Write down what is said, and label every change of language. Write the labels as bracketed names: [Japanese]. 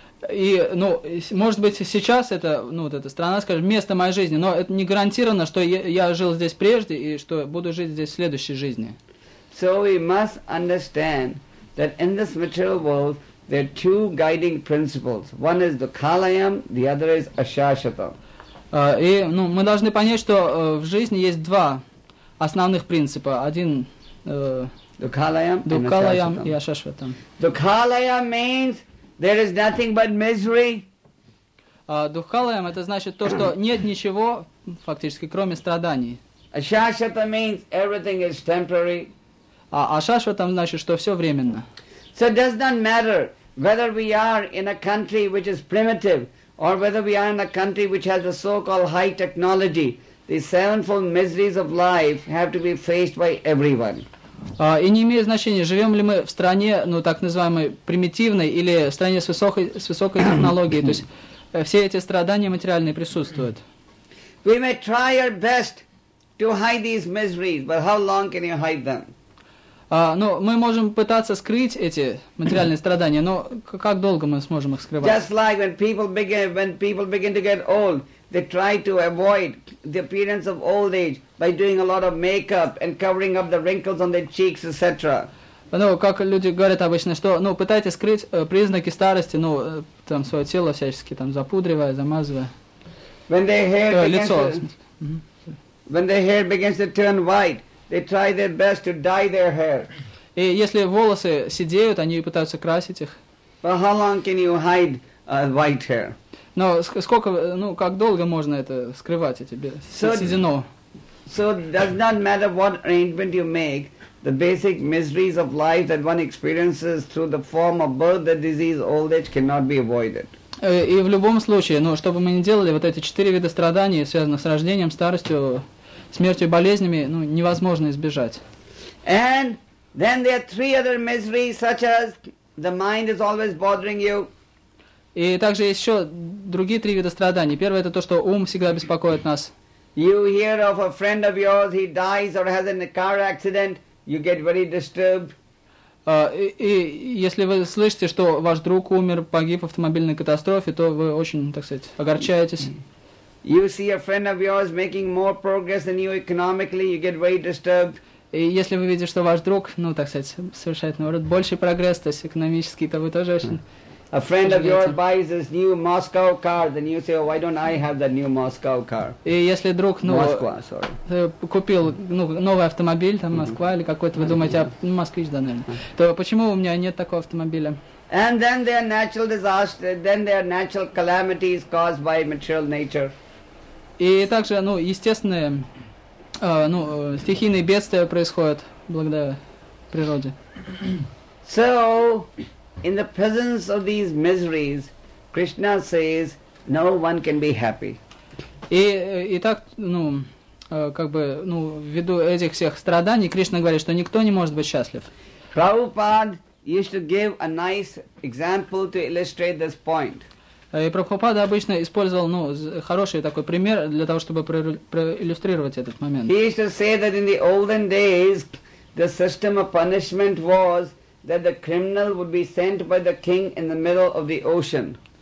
[Russian] И, ну, может быть, сейчас это, ну, вот эта страна, скажем, место моей жизни, но это не гарантировано, что я жил здесь прежде и что буду жить здесь в следующей жизни. [English] So we must understand that in this material world there are two guiding principles. One is the kalayam, the other is ashashatam. [Russian] И, ну, мы должны понять, что в жизни есть два основных принципа. Один [Sanskrit] Dukkhalayam [Russian] и ashashvatam. [English] Dukkhalayam means there is nothing but misery. [Russian] Dukkhalayam это значит то, что нет ничего фактически, кроме страданий. [English] Ashashvatam means everything is temporary. [Russian] Ashashvatam значит, что все временно. [English] So it does not matter whether we are in a country which is primitive or whether we are in a country which has the so-called high technology. The sevenfold miseries of life have to be faced by everyone. [Russian] И не имеет значения, живем ли мы в стране, ну, так называемой примитивной, или в стране с высокой технологией. То есть все эти страдания материальные присутствуют. [English] We may try our best to hide these miseries, but how long can you hide them? [Russian] Ну, мы можем пытаться скрыть эти материальные страдания, но как долго мы сможем их скрывать? [English] Just like when people begin to get old, they try to avoid the appearance of old age by doing a lot of makeup and covering up the wrinkles on their cheeks, etc. [Russian] Ну, как люди говорят обычно, что, ну, пытайтесь скрыть признаки старости, ну, там, свое тело всячески, там, запудривая, замазывая. [English] When their hair begins to turn white, they try their best to dye their hair. [Russian] И если волосы седеют, они пытаются красить их. [English] But how long can you hide white hair? [Russian] Но сколько, ну, как долго можно это скрывать, эти седину? [English] So does not matter what arrangement you make, the basic miseries of life that one experiences through the form of birth, the disease, old age cannot be avoided. [Russian] И в любом случае, ну, что бы мы ни делали, вот эти четыре вида страданий, связанных с рождением, старостью, смертью и болезнями, ну, невозможно избежать. И также есть еще другие три вида страданий. Первое — это то, что ум всегда беспокоит нас. [English] You hear of a friend of yours, he dies or has a car accident, you get very disturbed. [Russian] И если вы слышите, что ваш друг умер, погиб в автомобильной катастрофе, то вы очень, так сказать, огорчаетесь. [English] You see a friend of yours making more progress than you economically, you get very disturbed. [Russian] И если вы видите, что ваш друг, ну, так сказать, совершает, наоборот, больший прогресс, то есть экономический, то вы тоже очень... [English] A friend of yours buys this new Moscow car, then you say, oh, why don't I have that new Moscow car? [Russian] И если друг, ну, [English] Москва, sorry. [Russian] Купил, ну, новый автомобиль, там, Москва или какой-то, вы думаете, а, ну, москвич, да, наверное, то почему у меня нет такого автомобиля? [English] And then there are natural disasters, then there are natural calamities caused by material nature. [Russian] И также, ну, естественные, ну, стихийные бедствия происходят благодаря природе. [English] So... In the presence of these miseries, Krishna says, no one can be happy. [Russian] И так, ну, как бы, ну, ввиду этих всех страданий, Кришна говорит, что никто не может быть счастлив. [English] Prabhupada used to give a nice example to illustrate this point. [Russian] И Прабхупада обычно использовал, ну, хороший такой пример для того, чтобы проиллюстрировать этот момент. [English] He used to say that in the olden days, the system of punishment was that the criminal would be sent by the king in the middle of the ocean.